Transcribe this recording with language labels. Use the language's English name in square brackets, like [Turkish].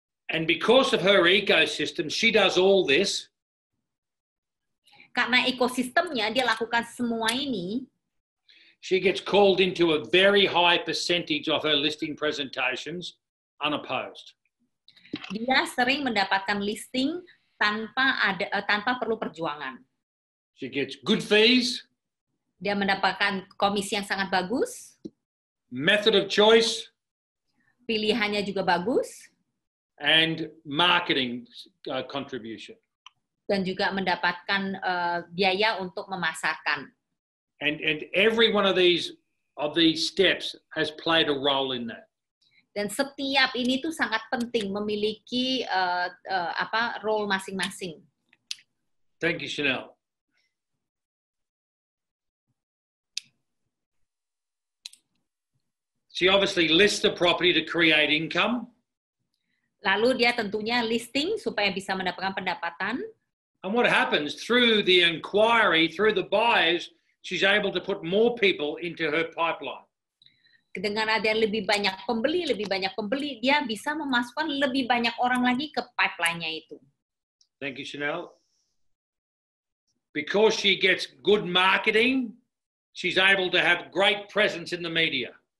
[English] And because of her ecosystem, she does all this. [Indonesian] Karena ekosistemnya dia lakukan semua ini. [English] She gets called into a very high percentage of her listing presentations unopposed. [Indonesian] Dia sering mendapatkan listing tanpa ada tanpa perlu perjuangan. [English] She gets good fees. [Indonesian] Dia mendapatkan komisi yang sangat bagus. [English] Method of choice. [Indonesian] Pilihannya juga bagus. [English] And marketing contribution. [Indonesian] Dan juga mendapatkan biaya untuk memasarkan. [English] And every one of these steps has played a role in that. [Indonesian] Dan setiap ini tuh sangat penting memiliki role masing-masing. [English] Thank you, Chanel. She obviously lists the property to create income. [Indonesian] Lalu dia tentunya listing supaya bisa mendapatkan pendapatan. [English] And what happens through the inquiry, through the buyers, she's able to put more people into her pipeline. [Indonesian] Dengan ada lebih banyak pembeli, dia bisa memasukkan lebih banyak orang lagi ke pipeline-nya itu. [English] Thank you, Chanel. Because she gets good marketing, she's able to have great presence in the media.